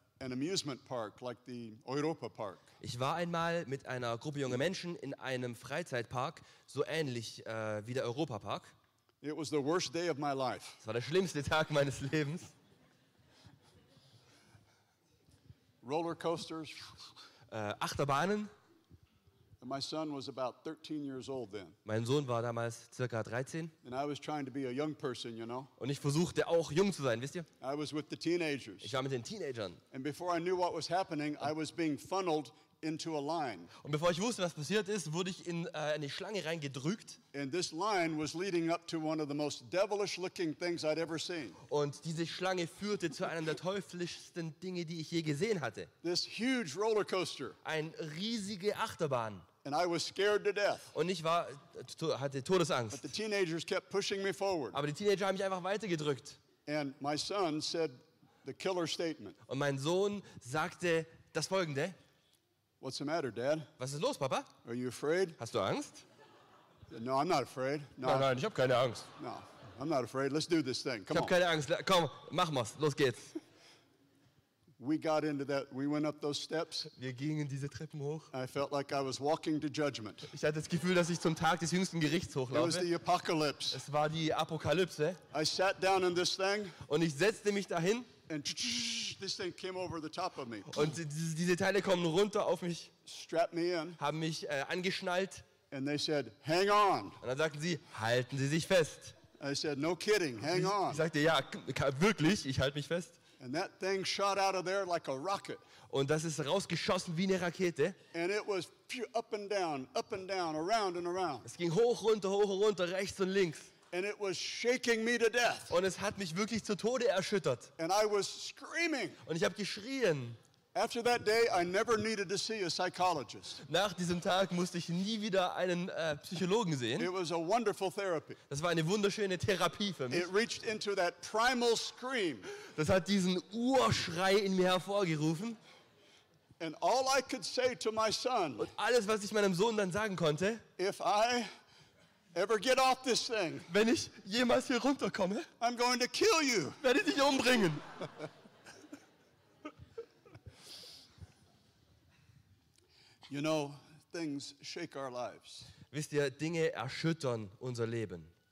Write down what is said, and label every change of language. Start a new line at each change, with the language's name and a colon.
English: an amusement park like the Europa Park.
German: Ich war einmal mit einer Gruppe junger Menschen in einem Freizeitpark, so ähnlich wie der Europa Park.
English: It was the worst day of my life.
German: Es war der schlimmste Tag meines Lebens.
English: Roller coasters.
German: Achterbahnen.
English: And my son was about 13 years old then.
German: Mein Sohn war damals circa 13.
English: And I was trying to be a young person, you know.
German: Und ich versuchte auch jung zu sein, wisst ihr?
English: I was with the teenagers.
German: Ich war mit den Teenagern.
English: And before I knew what was happening, I was being funneled into a line.
German: Und bevor ich wusste, was passiert ist, wurde ich in eine Schlange reingedrückt.
English: And this line was leading up to one of the most devilish looking things I'd ever seen.
German: Und diese Schlange führte zu einem der teuflischsten Dinge, die ich je gesehen hatte.
English: This huge roller coaster.
German: Ein riesige Achterbahn.
English: And I was scared to death.
German: Und ich war hatte Todesangst.
English: But the teenagers kept pushing me forward.
German: Aber die Teenager haben mich einfach weitergedrückt.
English: And my son said the killer statement.
German: Und mein Sohn sagte das Folgende.
English: What's the matter, Dad?
German: Was ist los, Papa?
English: Are you afraid?
German: Hast du Angst?
English: No, I'm not afraid. No.
German: Nein, nein, ich habe keine Angst.
English: No, I'm not afraid. Let's do this thing. Come
German: ich habe keine Angst. Komm, machen wir's. Los geht's.
English: We got into that. We went up those steps.
German: Wir gingen diese Treppen hoch.
English: I felt like I was walking to judgment.
German: Ich hatte das Gefühl, dass ich zum Tag des jüngsten Gerichts hochlaufe.
English: It was the apocalypse.
German: Es war die Apokalypse.
English: I sat down in this thing.
German: Und ich setzte mich dahin.
English: And this thing came over the top of me.
German: Und diese Teile kommen runter auf mich.
English: Strapped me in.
German: Haben mich angeschnallt.
English: And they said, "Hang on."
German: Und dann sagten sie, halten Sie sich fest.
English: I said, "No kidding, hang on."
German: Ich sagte, ja, wirklich, ich halte mich fest.
English: And that thing shot out of there like a rocket.
German: Und das ist rausgeschossen wie eine Rakete.
English: And it was up and down, around and around.
German: Es ging hoch runter, rechts und links.
English: And it was shaking me to death.
German: Und es hat mich wirklich zu Tode erschüttert.
English: And I was screaming.
German: Und ich habe geschrien.
English: After that day, I never needed to see a psychologist.
German: Nach diesem Tag musste ich nie wieder einen Psychologen sehen.
English: It was a wonderful therapy.
German: Das war eine wunderschöne Therapie für mich.
English: It reached into that primal scream.
German: Das hat diesen Urschrei in mir hervorgerufen.
English: And all I could say to my son.
German: Und alles, was ich meinem Sohn dann sagen konnte.
English: If I ever get off this thing.
German: Wenn ich jemals hier runterkomme.
English: I'm going to kill you.
German: Werde ich dich umbringen.
English: You know, things shake our lives.
German: Wisst ihr, Dinge erschüttern unser Leben.